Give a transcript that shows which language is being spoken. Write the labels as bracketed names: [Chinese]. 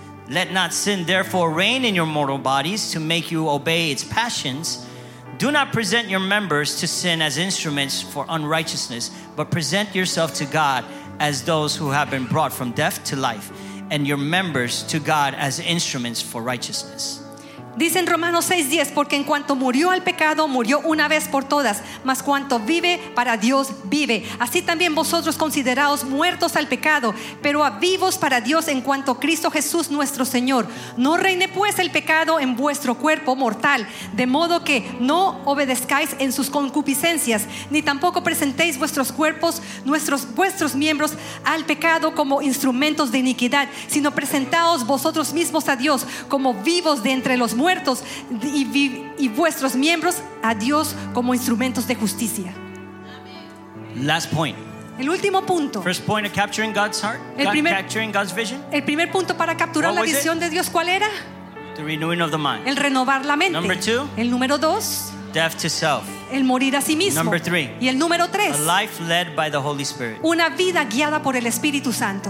[English] Let not sin therefore reign in your mortal bodies to make you obey its passions. Do not present your members to sin as instruments for unrighteousness, but present yourself to God as those who have been brought from death to life, and your members to God as instruments for righteousness. [Spanish] Dice en Romanos 6:10, porque en cuanto murió al pecado, murió una vez por todas, mas cuanto vive, para Dios vive. Así también vosotros consideraos muertos al pecado, pero a vivos para Dios en cuanto Cristo Jesús nuestro Señor. No reine pues el pecado en vuestro cuerpo mortal, de modo que no obedezcáis en sus concupiscencias, ni tampoco presentéis vuestros cuerpos, vuestros miembros al pecado como instrumentos de iniquidad, sino presentaos vosotros mismos a Dios como vivos de entre los muertos y vuestros miembros a Dios como instrumentos de justicia. [English] Last point. [Spanish] El último punto. [English] First point of capturing God's heart. [Spanish] El primer, [English] capturing God's vision. [Spanish] El primer punto para capturar la visión de Dios, ¿cuál era? [English] The renewing of the mind. [Spanish] El renovar la mente. [English] Number two. [Spanish] El número dos. [English] Death to self. [Spanish] El morir a sí mismo. [English] Number three. [Spanish] Y el número tres. [English] A life led by the Holy Spirit. [Spanish] Una vida guiada por el Espíritu Santo.